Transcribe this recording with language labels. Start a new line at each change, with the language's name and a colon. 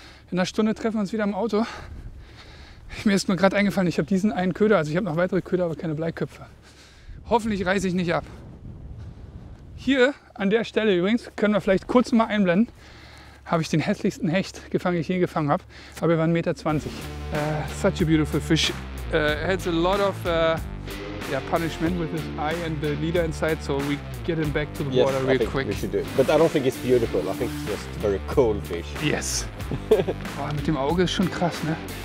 German: In einer Stunde treffen wir uns wieder im Auto. Mir ist nur gerade eingefallen, ich habe diesen einen Köder, also ich habe noch weitere Köder, aber keine Bleiköpfe. Hoffentlich reiße ich nicht ab. Hier, an der Stelle übrigens, können wir vielleicht kurz mal einblenden, habe ich den hässlichsten Hecht gefangen, den ich je gefangen habe. Aber er war 1,20 Meter.
English: Such a beautiful fish. Has a lot of punishment with his eye and the leader inside, so we get him back to the water real quick. Yes, I think we should do it. But I don't think it's beautiful, I think it's just a very cool fish. Yes.
German: Boah, mit dem Auge ist schon krass, ne?